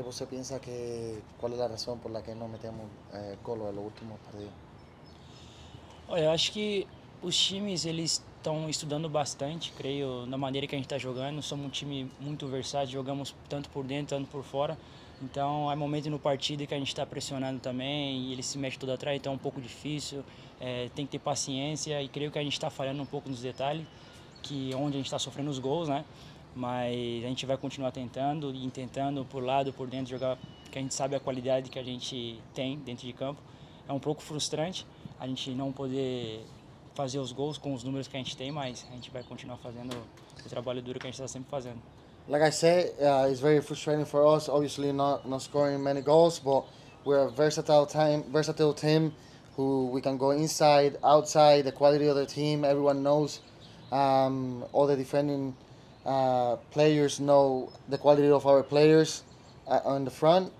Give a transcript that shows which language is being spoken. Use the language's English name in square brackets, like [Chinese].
[Spanish] usted piensa que cuál es la razón por la que no metemos goles en los últimos partidos? [Portuguese] Yo acho que os times eles estão estudando bastante, creio, na maneira que a gente está jogando. Somos um time muito versátil, jogamos tanto por dentro, tanto por fora. Então, há momentos no partido que a gente está pressionando também, e ele se mexe tudo atrás, então é um pouco difícil. Tem que ter paciência e creio que a gente está falhando um pouco nos detalhes, que onde a gente está sofrendo os gols, né? Mas a gente vai continuar tentando e tentando por lado, por dentro, jogar, que a gente sabe a qualidade que a gente tem dentro de campo. É um pouco frustrante a gente não poder fazer os gols com os números que a gente tem, mas a gente vai continuar fazendo o trabalho duro que a gente está sempre fazendo. [English] Like I said, it's very frustrating for us, obviously not scoring many goals, but we're a versatile team who we can go inside, outside, the quality of the team, everyone knows. All the defending players know the quality of our players on the front.